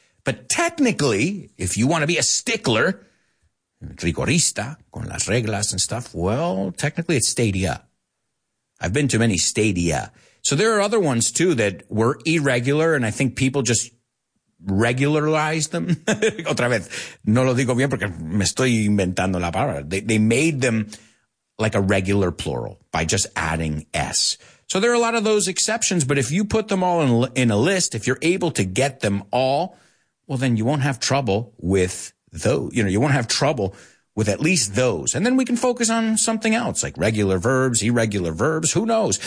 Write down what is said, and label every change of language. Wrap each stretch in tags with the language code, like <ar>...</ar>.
<en>But technically, if you want to be a stickler,</en> <es>rigorista, con las reglas</es> <en>and stuff, well, technically it's stadia. I've been to many stadia. So there are other ones, too, that were irregular, and I think people just regularized them.</en> <es>Otra vez, no lo digo bien porque me estoy inventando la palabra.</es> <en>They made them like a regular plural by just adding S. So there are a lot of those exceptions, but if you put them all in a list, if you're able to get them all, well, then you won't have trouble with those. You know, you won't have trouble with at least those. And then we can focus on something else, like regular verbs, irregular verbs, who knows?</en>